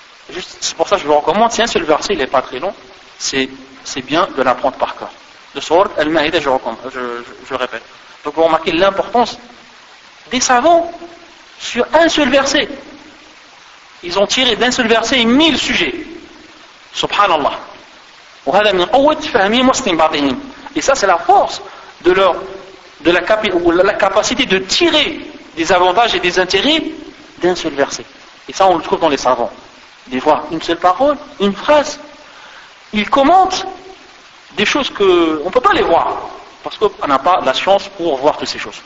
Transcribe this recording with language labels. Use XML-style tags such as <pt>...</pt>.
<fr>Juste, c'est pour ça que je vous recommande, c'est un seul verset, il n'est pas très long, c'est bien de l'apprendre par cœur. De sourate Al-Ma'ida, je répète. Donc vous remarquez l'importance des savants sur un seul verset. Ils ont tiré d'un seul verset 1000 sujets.</fr> <ar>Subhanallah. وهذا من قوة فهم مسلم بعضهم.</ar> <fr>Et ça c'est la force de leur la capacité de tirer des avantages et des intérêts d'un seul verset. Et ça on le trouve dans les savants. Des fois une seule parole, une phrase, ils commentent des choses que on peut pas les voir parce qu'on n'a pas la science pour voir toutes ces choses.</fr>